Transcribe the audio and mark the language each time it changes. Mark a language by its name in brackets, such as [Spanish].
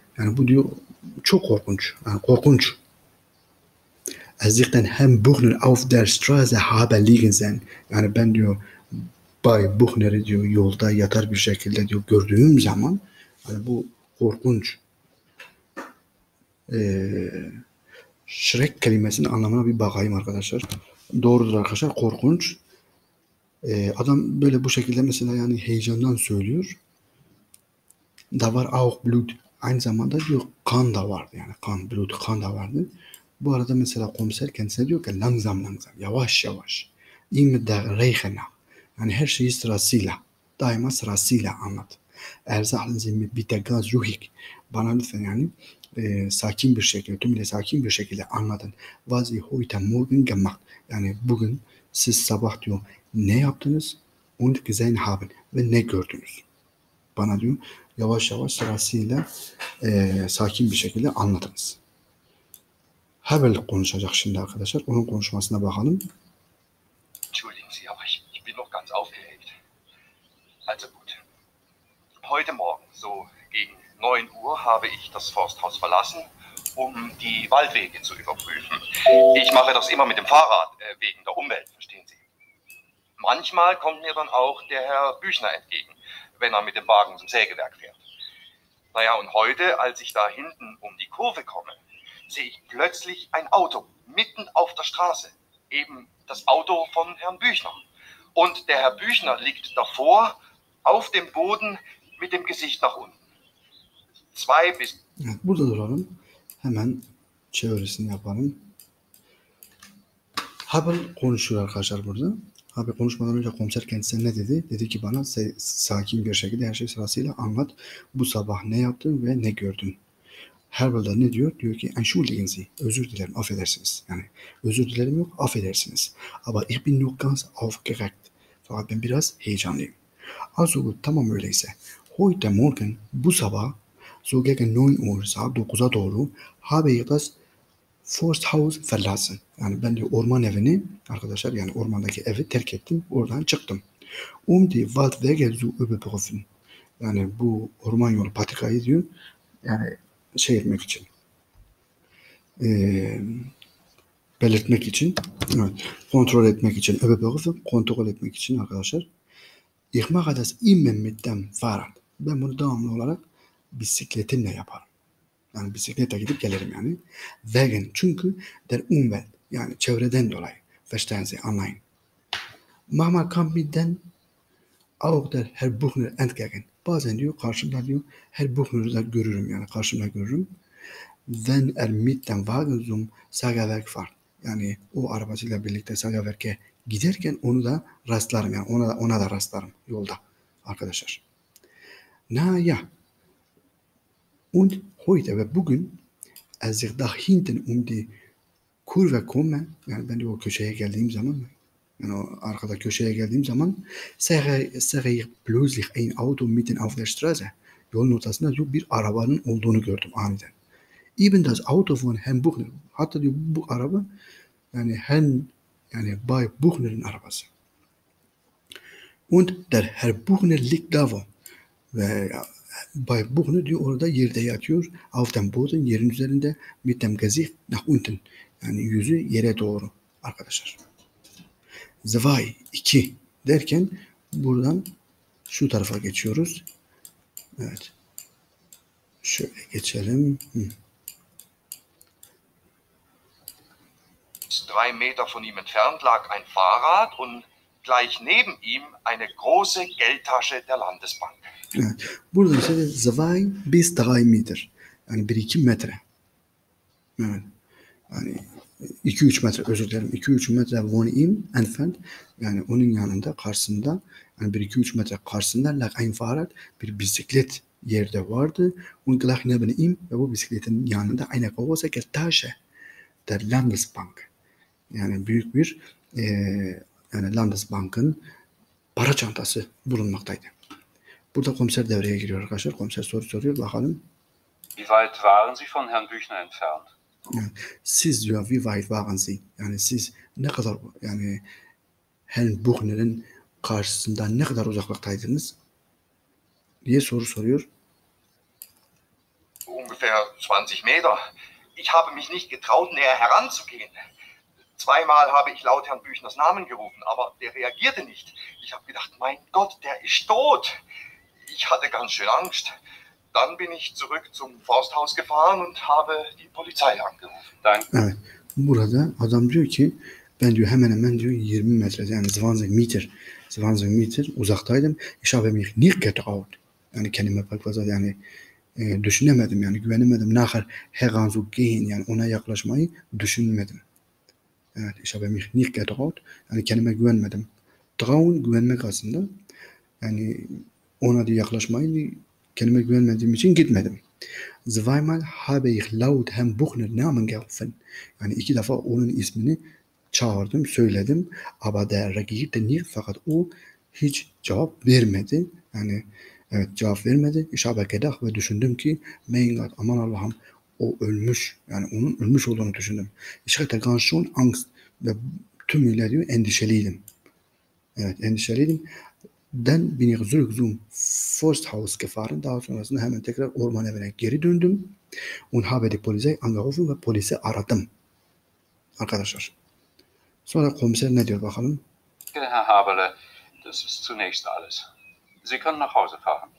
[Turkish] Yani bu diyor çok korkunç, yani korkunç. [German] Als ich den Herrn Buchner auf der Straße habe liegen sehen. [Turkish] Yani ben diyor Bay Buchner'i diyor yolda yatar bir şekilde diyor gördüğüm zaman yani bu korkunç Schreck kelimesinin anlamına bir bakayım arkadaşlar. Doğrudur arkadaşlar. Korkunç. Adam böyle bu şekilde mesela yani heyecandan söylüyor. Da var [German] auch Blut. [Turkish] Aynı zamanda diyor kan da vardı. Yani kan, Blut, kan da vardı. Bu arada mesela komiser kendisine diyor ki [German] langsam langsam, [Turkish] yavaş yavaş. [German] İmme de reichena. [Turkish] Yani her şeyi sırasıyla, daima sırasıyla anlat. [German] Erzahlin zimmi bitte ganz ruhig. [Turkish] Bana lütfen yani sakin bir şekilde, tümle sakin bir şekilde anladın. [German] Was ich heute morgen gemacht. [Turkish] Yani bugün siz sabah diyor ne yaptınız? [German] Und gesehen haben. [Turkish] Ve ne gördünüz? Bana diyor yavaş yavaş sırasıyla sakin bir şekilde anladınız. Habel konuşacak şimdi arkadaşlar. Onun konuşmasına bakalım. [German] Entschuldigen Sie, aber ich bin noch ganz aufgeregt. Also gut. Heute Morgen, so gegen 9 Uhr, habe ich das Forsthaus verlassen, um die Waldwege zu überprüfen. Ich mache das immer mit dem Fahrrad, wegen der Umwelt, verstehen Sie? Manchmal kommt mir dann auch der Herr Büchner entgegen, wenn er mit dem Wagen zum Sägewerk fährt. Naja, und heute, als ich da hinten um die Kurve komme, sehe ich plötzlich ein Auto mitten auf der Straße, eben das Auto von Herrn Büchner. Und der Herr Büchner liegt davor auf dem Boden mit dem Gesicht nach unten. Zwei bis... [Turkish] Evet, burada duralım. Hemen çevresini yapalım. Habel konuşuyor arkadaşlar burada. Habel konuşmadan önce komiser kendisine ne dedi? Dedi ki bana sakin bir şekilde her şey sırasıyla anlat. Bu sabah ne yaptın ve ne gördün? Herbal da ne diyor? Diyor ki [German] Entschuldigen Sie. [Turkish] Özür dilerim, affedersiniz. Yani özür dilerim yok, affedersiniz. [German] Aber ich bin noch ganz aufgeregt. [Turkish] Fakat ben biraz heyecanlıyım. [German] Also gut, [Turkish] tamam öyleyse. [German] Heute Morgen, [Turkish] bu sabah, [German] so gegen 9 Uhr, [Turkish] saat 9'a doğru, [German] habe ich das Forsthaus verlassen. [Turkish] Yani ben de orman evini, arkadaşlar yani ormandaki evi terk ettim, oradan çıktım. [German] Um die Waldwege zu überprüfen. [Turkish] Yani bu orman yolu patikayı diyor, yani şey etmek için belirtmek için evet, kontrol etmek için kontrol etmek için arkadaşlar [German] ich mache das immer mit dem Fahrrad. [Turkish] Ben bunu devamlı olarak bisikletimle yaparım. Yani bisikletle gidip gelirim yani. Wegen çünkü [German] der Umwelt [Turkish] yani çevreden dolayı. [German] Verstehen Sie, [Turkish] anlayın. [German] Manchmal kommt mir dann auch der Herr Buchner entgegen. [Turkish] Bazen diyor karşımda diyor her Buchner'ı da görürüm yani karşımda görürüm. [German] Wenn er mit dem Wagen zum Sägewerk fährt. [Turkish] Yani o arabasıyla birlikte Sägewerk'e giderken onu da rastlarım yani ona da rastlarım yolda arkadaşlar. [German] Na ja. Und heute [Turkish] ve bugün [German] als ich da hinten um die Kurve komme, [Turkish] yani ben diyor, o köşeye geldiğim zaman [German] yani arkada köşeye geldiğim zaman sehe ich plötzlich ein Auto mitten auf der Straße. [Turkish] Yolun ortasında diyor bir arabanın olduğunu gördüm aniden. [German] Eben das Auto von Herrn Buchner. [Turkish] Hatta diyor bu araba yani Herrn yani Bay Buchner'in arabası. [German] Und der Herr Buchner liegt da wo. [Turkish] Ve Bay Buchner diyor orada yerde yatıyor. [German] Auf dem Boden, [Turkish] yerin üzerinde [German] mit dem Gesicht nach unten. [Turkish] Yani yüzü yere doğru arkadaşlar. Zwei, iki derken buradan şu tarafa geçiyoruz. Evet. Şöyle geçelim. [German] Drei Meter von ihm entfernt lag ein Fahrrad und gleich neben ihm eine große Geldtasche der Landesbank. [Turkish] Evet. Burada ise de [German] zwei bis drei Meter. [Turkish] Yani bir iki metre. Evet. Yani iki üç metre, özür dilerim. İki üç metre [German] von ihm entfernt. [Turkish] Yani onun yanında, karşısında, yani bir iki üç metre karşısında [German] lag ein Fahrrad, [Turkish] bir bisiklet yerde vardı. [German] Und gleich neben ihm [Turkish] ve bu bisikletin yanında [German] eine große Geldtasche der Landesbank. [Turkish] Yani büyük bir yani Landesbank'ın para çantası bulunmaktaydı. Burada komiser devreye giriyor arkadaşlar. Komiser soru soruyor. Bakalım. [German] Wie weit waren Sie von Herrn Büchner entfernt? [Turkish] Yani, siz diyor, [German] wie weit waren Sie? [Turkish] Yani siz ne kadar yani Herrn Büchner'in karşısında ne kadar uzaklıktaydınız? Diye soru soruyor. [German] Ungefähr 20 Meter. Ich habe mich nicht getraut, näher heranzugehen. Zweimal habe ich laut Herrn Büchners Namen gerufen, aber der reagierte nicht. Ich habe gedacht, mein Gott, der ist tot. Ich hatte ganz schön Angst. Dann bin ich zurück zum Forsthaus gefahren und habe die Polizei angerufen. Danke. [Turkish] Evet, burada adam diyor ki, ben diyor hemen hemen diyor 20 metre, yani 20 meter, 20 meter uzaktaydım. [German] Ich habe mich nicht getraut. [Turkish] Yani kendime pek fazla yani düşünemedim, yani güvenemedim. [German] Nachher heranzugehen, [Turkish] yani ona yaklaşmayı düşünmedim. [German] Evet, ich habe mich nicht getraut. [Turkish] Yani kendime güvenmedim. Trauen, güvenmek aslında. Yani ona da yaklaşmayı, kendime güvenmediğim için gitmedim. [German] Zweimal habe ich laut Herrn Buchner Namen gerufen. [Turkish] Yani iki defa onun ismini çağırdım, söyledim. [German] Aber der reagierte nicht. [Turkish] Fakat o hiç cevap vermedi. Yani evet, cevap vermedi. [German] Ich habe gedacht [Turkish] ve düşündüm ki, [German] mein Gott, [Turkish] aman Allah'ım. O ölmüş. Yani onun ölmüş olduğunu düşündüm. [German] Ich hatte ganz schon Angst. [Turkish] Ve tümüyle diyor endişeliydim. Evet, endişeliydim. [German] Dann bin ich zurück zum Forsthaus gefahren. [Turkish] Daha sonrasında hemen tekrar orman evine geri döndüm. [German] Und habe die Polizei angerufen [Turkish] ve polisi aradım. Arkadaşlar. Sonra komiser ne diyor bakalım? [German] Herr Haberle, das ist zunächst alles. Sie können nach Hause fahren.